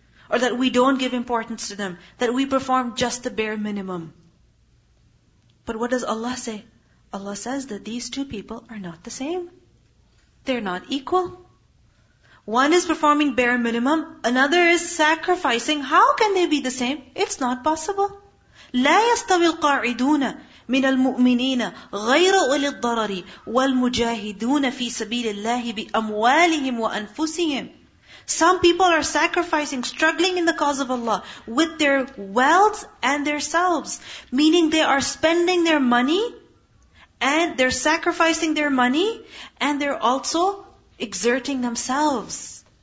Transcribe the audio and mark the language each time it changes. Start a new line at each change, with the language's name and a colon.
English: Or that we don't give importance to them. That we perform just the bare minimum. But what does Allah say? Allah says that these two people are not the same. They're not equal. One is performing bare minimum, another is sacrificing. How can they be the same? It's not possible.
Arabic: لا يستوي القاعدون من المؤمنين غير أولي الضرر والمجاهدون في سبيل الله بأموالهم وأنفسهم.
English: Some people are sacrificing, struggling in the cause of Allah with their wealth and their selves. Meaning they are spending their money and they're sacrificing their money and they're also exerting themselves.